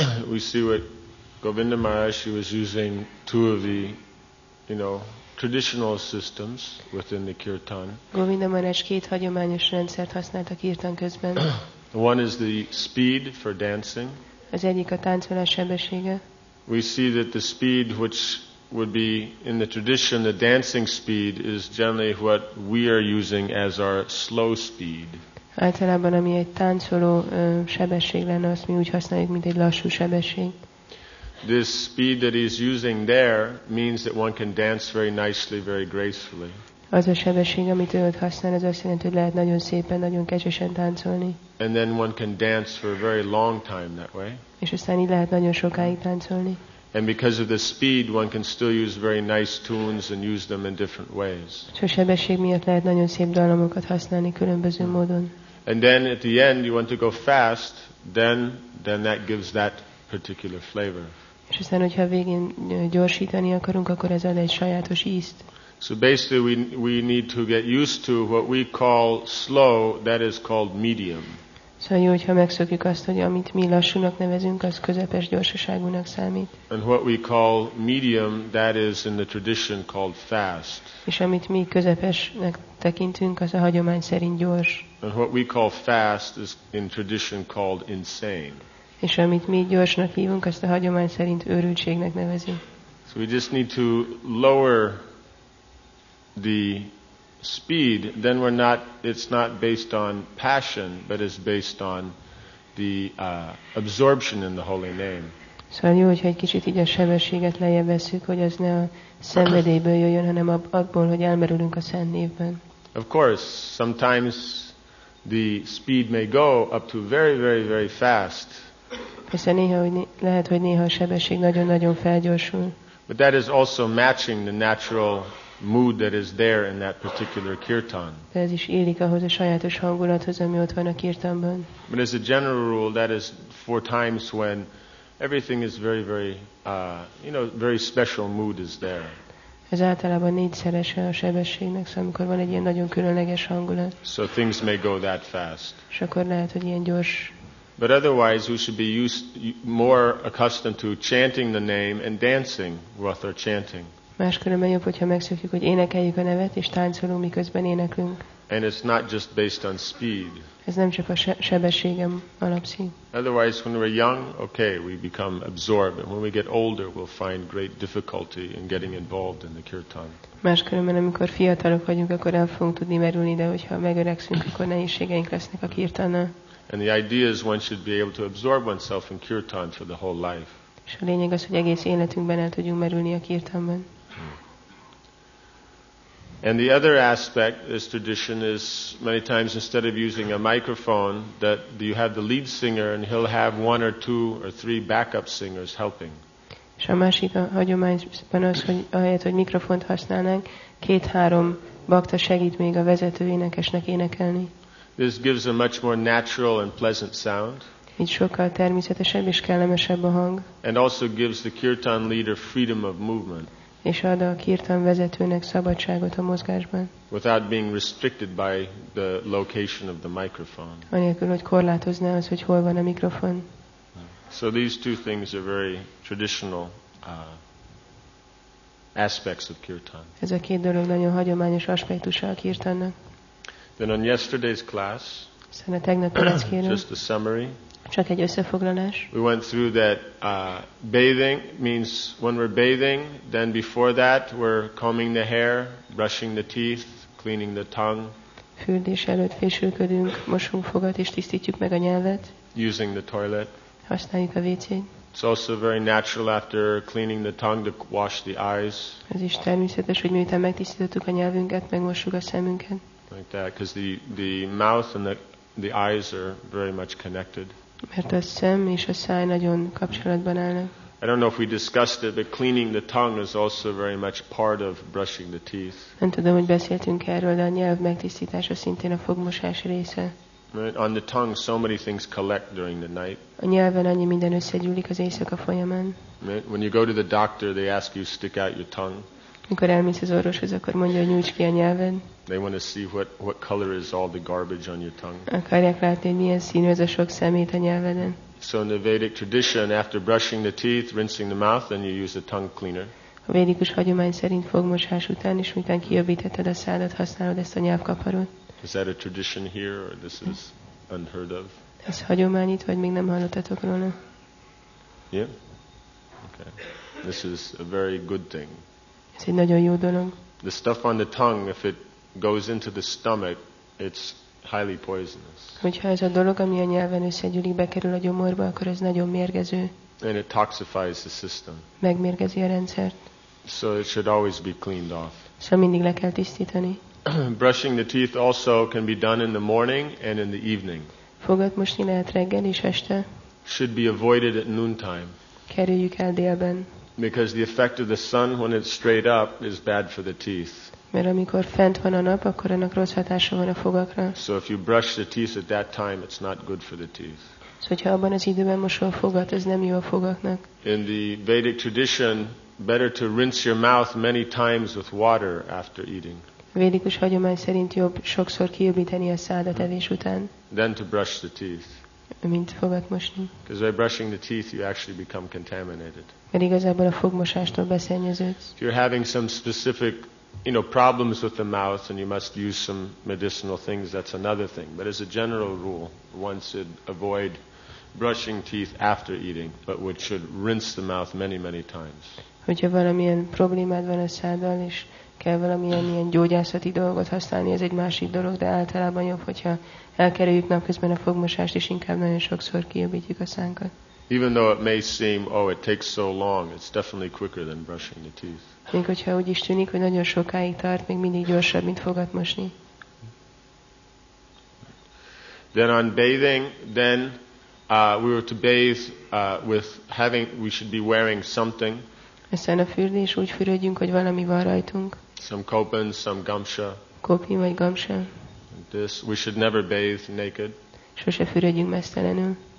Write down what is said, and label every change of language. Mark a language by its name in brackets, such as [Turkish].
[English] We see what Govinda Maharaj, he was using two of the, traditional systems within the kirtan. [Hungarian] Govinda Maharaj két hagyományos rendszert használt a kirtan közben. [English] One is the speed for dancing. [Hungarian] Az egyik a táncolás sebessége. [English] We see that the speed which would be in the tradition, the dancing speed, is generally what we are using as our slow speed. [Hungarian] Általában ami egy táncoló sebesség lenne, azt mi úgy használjuk, mint egy lassú sebesség. [English] This speed that he's using there means that one can dance very nicely, very gracefully. [Hungarian] Az a sebesség, amit ő ott használ, az azt jelenti, hogy lehet nagyon szépen, nagyon kecsesen táncolni. [English] And then one can dance for a very long time that way. [Hungarian] És aztán így lehet nagyon sokáig táncolni. [English] And because of the speed, one can still use very nice tunes and use them in different ways. [Hungarian] És a sebesség miatt lehet nagyon szép dallamokat használni különböző módon. [English] And then at the end, you want to go fast, then that gives that particular flavor. [Hungarian] És aztán, hogyha a végén gyorsítani akarunk, akkor ez ad egy sajátos ízt. [English] So basically we need to get used to what we call slow, that is called medium. [Hungarian] So jó, hogyha megszokjuk azt, hogy amit mi lassúnak nevezünk, az közepes gyorsaságúnak számít. [English] And what we call medium, that is in the tradition called fast. [Hungarian] És amit mi közepesnek tekintünk, az a hagyomány szerint gyors. [English] And what we call fast is in tradition called insane. [Hungarian] És amit mi gyorsnak hívunk, azt a hagyomány szerint őrültségnek nevezünk. [English] So we just need to lower the speed, then we're not, it's not based on passion, but it's based on the absorption in the holy name. [Hungarian] Szóval jó, hogyha egy kicsit így a sebességet lejjebb veszük, hogy az ne a szenvedélyből jöjjön, hanem abból, hogy elmerülünk a szent névben. [English] Of course, sometimes the speed may go up to very, very, very fast. [Hungarian] Persze néha, lehet, hogy néha a sebesség nagyon-nagyon felgyorsul. [English] But that is also matching the natural mood that is there in that particular kirtan. [Hungarian] De ez is élik ahhoz a sajátos hangulathoz, ami ott van a kirtanban. [English] But as a general rule, that is four times when everything is very, very, very special mood is there. [Hungarian] Ez általában négyszerese a sebességnek, szóval amikor van egy ilyen nagyon különleges hangulat. [English] So things may go that fast. [Hungarian] És akkor lehet, hogy ilyen gyors. [English] But otherwise, we should be used more accustomed to chanting the name and dancing with our chanting. [Hungarian] Máskülönben jobb, hogyha megszokjuk, hogy énekeljük a nevet, és táncolunk, miközben éneklünk. [English] And it's not just based on speed. [Hungarian] Ez nem csak a sebességem alapszik. [English] Otherwise, when we're young, okay, we become absorbed. And when we get older, we'll find great difficulty in getting involved in the kirtan. [Hungarian] Máskülönben, amikor fiatalok vagyunk, akkor el fogunk tudni merülni, de hogyha megöregszünk, akkor nehézségeink lesznek a kirtannal. [English] And the idea is one should be able to absorb oneself in kirtan for the whole life. [Hungarian] És a lényeg az, hogy egész életünkben el tudjunk merülni a kirtanban. [English] And the other aspect, this tradition is many times instead of using a microphone, that you have the lead singer and he'll have one or two or three backup singers helping. [Hungarian] És a másik a hagyományban az, hogy ahelyett, hogy mikrofont használnánk, két-három bakta segít még a vezető énekesnek énekelni. [English] This gives a much more natural and pleasant sound. [Hungarian] Így sokkal természetesebb és kellemesebb a hang. [English] And also gives the kirtan leader freedom of movement. [Hungarian] És ad a kirtan vezetőnek szabadságot a mozgásban. [English] Without being restricted by the location of the microphone. [Hungarian] Anélkül, hogy korlátozná az, hogy hol van a mikrofon. [English] So these two things are very traditional aspects of kirtan. [Hungarian] Ez a két dolog nagyon hagyományos aspektusa a kirtannak. [English] Then on yesterday's class, just a summary. [Hungarian] Csak egy összefoglalás. [English] We went through that bathing means when we're bathing, then before that we're combing the hair, brushing the teeth, cleaning the tongue. [Hungarian] Fürdés előtt fésülködünk, mosunk fogat és tisztítjuk meg a nyelvet. [English] Using the toilet. [Hungarian] Használjuk a WC-t. [English] It's also very natural after cleaning the tongue to wash the eyes. [Hungarian] Ez is természetes, hogy miután megtisztítottuk a nyelvünket, megmossuk a szemünket. [English] Like that, because the mouth and the eyes are very much connected. [Hungarian] Mert a szem és a száj nagyon kapcsolatban állnak. [English] I don't know if we discussed it, but cleaning the tongue is also very much part of brushing the teeth. [Hungarian] Nem tudom, hogy beszéltünk erről, de a nyelv megtisztítása szintén a fogmosás része. [English] Right. On the tongue, so many things collect during the night. [Hungarian] A nyelven annyi minden összegyűlik az éjszaka folyamán. [English] Right. When you go to the doctor, they ask you stick out your tongue. [Hungarian] Mikor elmész az orvoshoz, akkor mondja, hogy nyújts ki a nyelven. [English] They want to see what color is all the garbage on your tongue. [Hungarian] Akarják látni, hogy milyen színű ez a sok szemét a nyelveden. [English] So in the Vedic tradition, after brushing the teeth, rinsing the mouth, then you use a tongue cleaner. [Hungarian] A védikus hagyomány szerint fogmosás után is, miután kijavítetted a szádat, használod ezt a nyelvkaparót. [English] Is that a tradition here, or this is unheard of? [Hungarian] Ez hagyomány itt, vagy még nem hallottatok róla? [English] Yeah. Okay. This is a very good thing. [Hungarian] Ez egy nagyon jó dolog. [English] The stuff on the tongue, if it goes into the stomach, it's highly poisonous. [Hungarian] Hogyha ez a dolog, ami a nyelven összegyűlik, bekerül a gyomorba, akkor ez nagyon mérgező. [English] And it toxifies the system. [Hungarian] Megmérgezi a rendszert. [English] So it should always be cleaned off. [Hungarian] Szóval mindig le kell tisztítani. [English] Brushing the teeth also can be done in the morning and in the evening. [Hungarian] Fogat mosni lehet reggel és este. [English] Should be avoided at noontime. [Hungarian] Kerüljük el délben. [English] Because the effect of the sun when it's straight up is bad for the teeth. [Hungarian] Mert amikor fent van a nap, akkor annak rossz hatása van a fogakra. [English] So if you brush the teeth at that time, it's not good for the teeth. [Hungarian] Hogyha abban az időben mosol fogat, ez nem jó a fogaknak. [English] In the Vedic tradition, better to rinse your mouth many times with water after eating. [Hungarian] Védikus hagyomány szerint jobb sokszor kijavítani a szádat evés után. [English] Then to brush the teeth. [Hungarian] Mint fogat mosni. [English] Because by brushing the teeth, you actually become contaminated. [Hungarian] Mert igazából a fogmosástól beszennyeződsz. [English] If you're having some specific, you know, problems with the mouth and you must use some medicinal things, that's another thing. But as a general rule, one should avoid brushing teeth after eating, but one should rinse the mouth many, many times. [Hungarian] Hogyha valamilyen problémád van a száddal, és kell valamilyen gyógyászati dolgot használni, ez egy másik dolog, de általában jobb, hogyha elkerüljük napközben a fogmosást, és inkább nagyon sokszor kijavítjuk a szánkat. [English] Even though it may seem, oh, it takes so long, it's definitely quicker than brushing the teeth. [Hungarian] Még hogyha úgy is tűnik, hogy nagyon sokáig tart, még mindig gyorsabb, mint fogat mosni. [English] Then on bathing, then we were to bathe with having, we should be wearing something. [Hungarian] Aztán a fürdés, úgy fürödjünk, hogy valami van rajtunk. [English] Some kopin, some gamsa. [Hungarian] Kopi vagy gamsa. [English] This, we should never bathe naked. [Hungarian] Sose fürödjünk meztelenül.